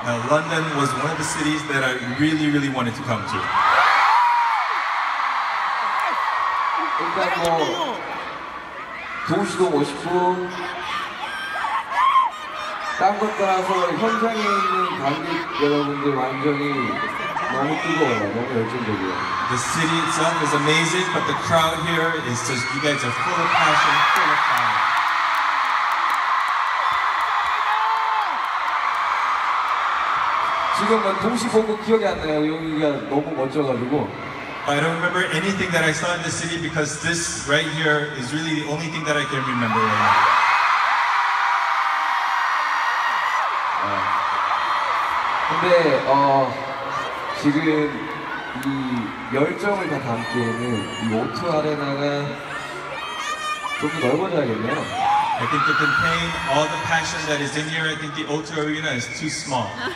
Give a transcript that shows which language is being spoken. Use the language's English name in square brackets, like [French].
[English] London was one of the cities that I really, really wanted to come to. [Korean] 그러니까 뭐 도시도 멋있고 다른 것 따라서 현장에 있는 관객 여러분들 완전히 너무 뜨거워요, 너무 열정적이에요. [English] The city itself is amazing, but the crowd here is just, you guys are full of passion, full of fire. [Korean] 지금 도시 보고 기억이 안 나요. 여기가 너무 멋져가지고. [English] I don't remember anything that I saw in the city because this right here is really the only thing that I can remember. Right now. [Korean] 근데 지금 이 열정을 다 담기에는 이 오토 아레나가 좀 더 넓어져야겠네요. [English] I think to contain all the passion that is in here, I think the Ultra Arena is too small.